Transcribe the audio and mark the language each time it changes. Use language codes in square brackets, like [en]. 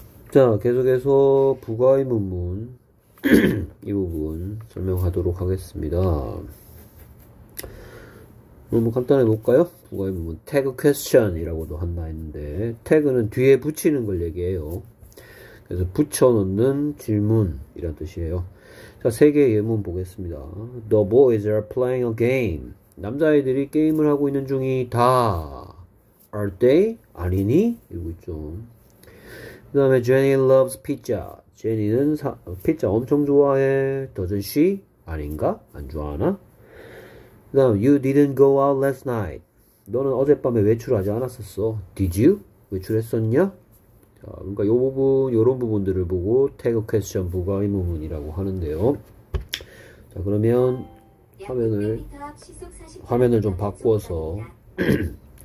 [ko] 자, 계속해서 부가의 문문 이 부분 설명하도록 하겠습니다. 너무 간단하게 볼까요? 부가의 문문 태그 퀘스천이라고도 한다 했는데, 태그는 뒤에 붙이는 걸 얘기해요. 그래서 붙여놓는 질문이란 뜻이에요. 자, 세 개의 예문 보겠습니다. [en] The boys are playing a game. [ko] 남자애들이 게임을 하고 있는 중이다. [en] Are they? [ko] 아니니? 이러고 있죠. 그 다음에 [en] Jenny loves pizza. [ko] 제니는 피자 엄청 좋아해. [en] Doesn't she? [ko] 아닌가? 안 좋아하나? 그 다음 [en] You didn't go out last night. [ko] 너는 어젯밤에 외출하지 않았었어. [en] Did you? [ko] 외출했었냐? 자, 그러니까 요 부분, 요런 부분들을 보고 태그 퀘스천 부가 의문문이라고 하는데요. 자, 그러면 약 600m 앞 시속 화면을 좀 45km 바꿔서 정상입니다.